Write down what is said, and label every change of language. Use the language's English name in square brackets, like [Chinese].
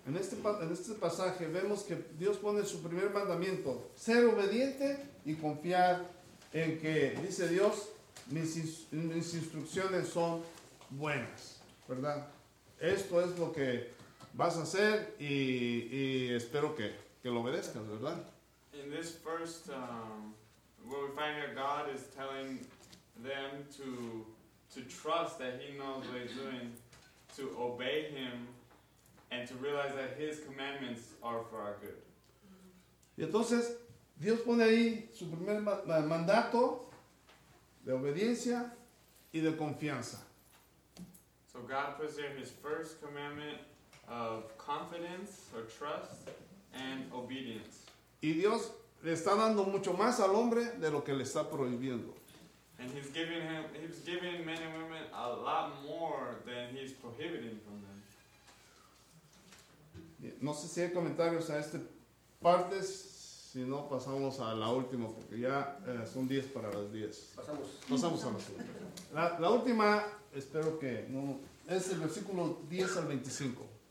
[Spanish] En este pasaje vemos que Dios pone su primer mandamiento, ser obediente y confiar en que, dice Dios, mis instrucciones son buenas, ¿verdad? Esto es lo que vas a hacer y espero que lo obedezcas, ¿verdad? [English] In this first, where we find here, God is telling them to to trust that he knows what he's doing, to obey him, and to realize that his commandments are for our good. [Spanish] Y entonces, Dios pone ahí su primer mandato de obediencia y de confianza. [English] So God puts there his first commandment of confidence or trust and obedience. [Spanish] Y Dios le está dando mucho más al hombre de lo que le está prohibiendo. [English] And he's giving men and women a lot more than he's prohibiting from them. [Spanish] No sé si hay comentarios a este parte, si no pasamos a la última, porque ya son 10 para las 10. Pasamos a la última. La última, espero que no, es el versículo 10 al 25.